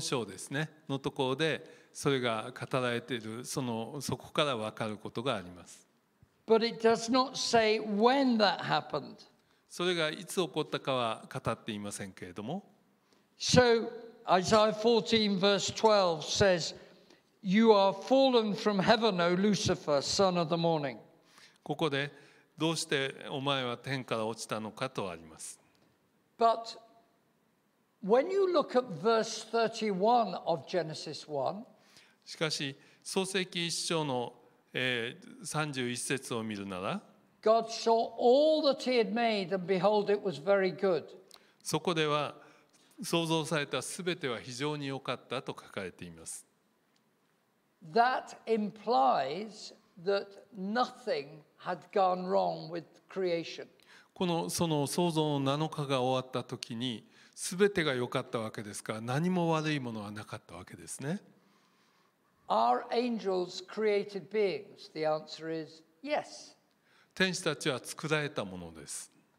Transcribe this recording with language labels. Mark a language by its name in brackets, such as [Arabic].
[Japanese] 章ですね、のところでそれが語られている、そこから分かることがあります。 [English] But it does not say when that happened. [Japanese] それがいつ起こったかは語っていませんけれども。 [English] So Isaiah 14 verse 12 says, "You are fallen from heaven, O Lucifer, son of the morning." [Japanese] ここでどうしてお前は天から落ちたのかとあります。 [English] But when you look at verse 31 of Genesis 1, [Japanese] しかし創世記1章の31節を見るなら、 [English] God saw all that he had made, and behold, it was very good. [Japanese] そこでは創造されたすべては非常に良かったと書かれています。 [English] That implies that nothing had gone wrong with creation. [Japanese] このその創造の7日が終わったときに、すべてが良かったわけですから、何も悪いものはなかったわけですね。 [English] Are angels created beings? The answer is yes. [Japanese] 天使たちは作られたものです。